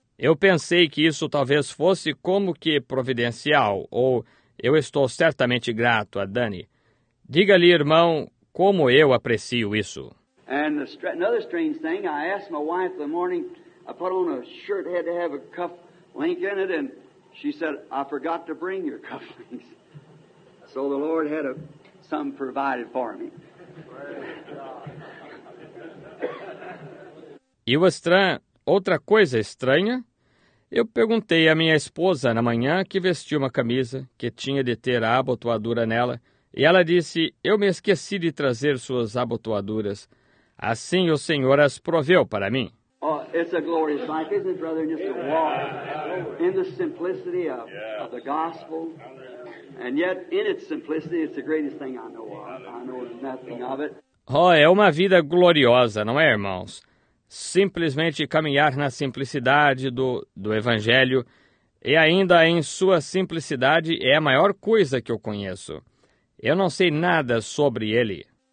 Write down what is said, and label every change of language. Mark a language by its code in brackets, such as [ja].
[pt] Eu pensei que isso talvez fosse como que providencial, ou eu estou certamente grato a Danny. Diga-lhe, irmão, como eu aprecio isso. [en] And another strange thing, I asked my wife in the morning, I put on a shirt, had to have a cuff link in it, and she said, I forgot to bring your cuff links. So the Lord had some provided for me. [pt] E o estranho, outra coisa estranha, eu perguntei à minha esposa na manhã que vestiu uma camisa que tinha de ter a abotoadura nela, e ela disse, eu me esqueci de trazer suas abotoaduras. Assim o Senhor as proveu para mim. [en] Oh, it's a glorious life, isn't it, brother? Just to walk in the simplicity of the gospel. And yet, in its simplicity, it's the greatest thing I know of. I know nothing of it. [pt] Oh, é uma vida gloriosa, não é, irmãos? Simplesmente caminhar na simplicidade do Evangelho, e ainda em sua simplicidade é a maior coisa que eu conheço. Eu não sei nada sobre ele.